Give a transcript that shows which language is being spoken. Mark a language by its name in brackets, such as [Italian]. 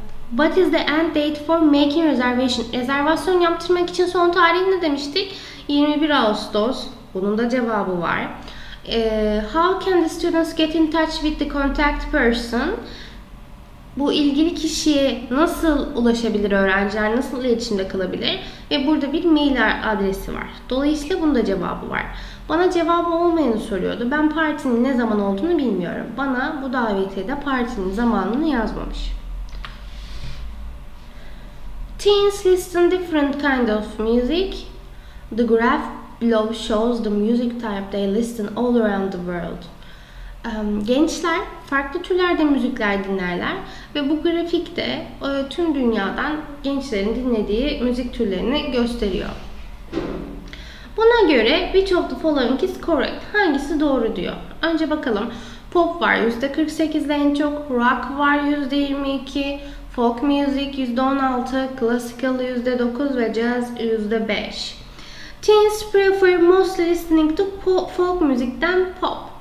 [English] What is the end date for making reservation? [Turkish] Rezervasyon yaptırmak için son tarih ne demiştik? 21 Ağustos. Bunun da cevabı var. [English] How can the students get in touch with the contact person? [Turkish] Bu ilgili kişiye nasıl ulaşabilir öğrenciler, nasıl iletişimde kalabilir? Ve burada bir mail adresi var. Dolayısıyla bunun da cevabı var. Bana cevabı olmayanı soruyordu. Ben partinin ne zaman olduğunu bilmiyorum. Bana bu davetiyede partinin zamanını yazmamış. [English] Teens listen different kind of music. The graph below shows the music type they listen all around the world. [Turkish] Gençler farklı türlerde müzikler dinlerler ve bu grafik de tüm dünyadan gençlerin dinlediği müzik türlerini gösteriyor. Buna göre [English] which of the following is correct? [Turkish] Hangisi doğru diyor. Önce bakalım. Pop var %48 ile en çok. Rock var %22. Folk music %16. Classical %9 ve jazz %5. [English] Teens prefer mostly listening to pop, folk music than pop.